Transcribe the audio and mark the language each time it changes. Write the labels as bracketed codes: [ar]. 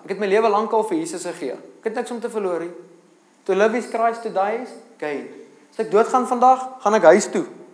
[af] Ek het my lewe lank al vir Jesus gegee. Ek het niks om te verloor nie. [en] To live is Christ, to die is gain. [af] As ek doodgaan vandag, gaan ek huis toe.